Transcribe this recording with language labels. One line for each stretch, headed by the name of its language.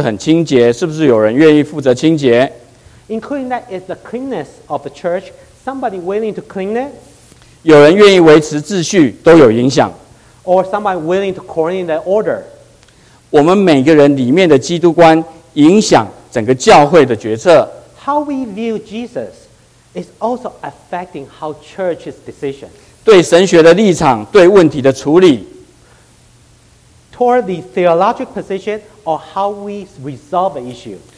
Chinese: 包括教会是不是很清洁，是不是有人愿意负责清洁？
English: Including that is the cleanness of the church. Somebody willing to clean it.
Chinese: 有人愿意维持秩序都有影响。
English: Or somebody willing to coordinate the order.
Chinese: 我们每个人里面的基督观影响整个教会的决策。
English: How we view Jesus is also affecting how church's decision.
Chinese: 对神学的立场，对问题的处理。
English: Toward the theological position or how we resolve the issue.